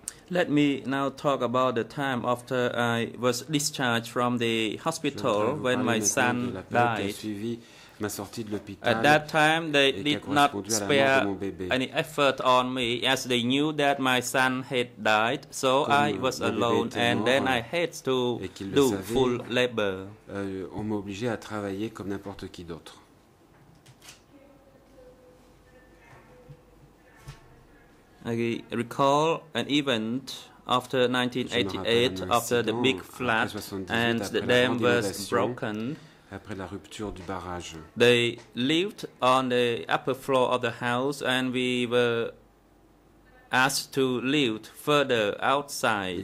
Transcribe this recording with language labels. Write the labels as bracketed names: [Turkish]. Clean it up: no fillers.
[English] Let me now talk about the time after I was discharged from the hospital when my son died. [French] Ma sortie de l'hôpital. [English] At that time, they did not spare any effort on me, as they knew that my son had died, so I was alone, and then I had to do full labor. [French] On m'a obligé à travailler comme n'importe qui d'autre. [English] I recall an event after 1988, after the big flood, and the dam was broken. [French] Après la rupture du barrage. [English] They lived on the upper floor of the house, and we were asked to live further outside.